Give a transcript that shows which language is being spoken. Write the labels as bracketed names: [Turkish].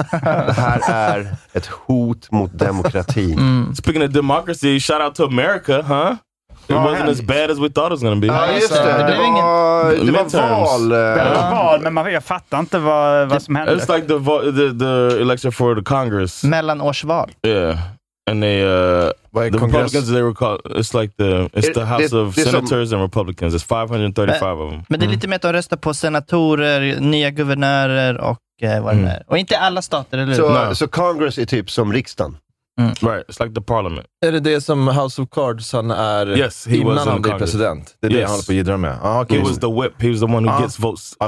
[Swedish] Det här är ett hot mot demokratin. [English] Speaking of democracy, shout out to America, huh? It wasn't as bad as we thought it was going to be. [Swedish] Ja, just det. Det var val. Men jag fattar inte vad som hände. [English] It's like the election for the Congress. [Swedish] Mellanårsval. [English] Yeah. And the Republicans, they were called, it's like the House of Senators and Republicans. It's 535 of them. [Swedish] Men det är lite mer att rösta på senatorer, nya guvernörer och vad det är. Och inte alla stater, eller hur? So Congress är typ som riksdagen. [English] Mm. Right, it's like the parliament. [Swedish] Är det det som House of Cards han är? [English] Yes, he [Swedish] innan [English] was [Swedish] han blir president. Det är det han håller på att gidra med. [English] He was the whip, he was the one who gets votes.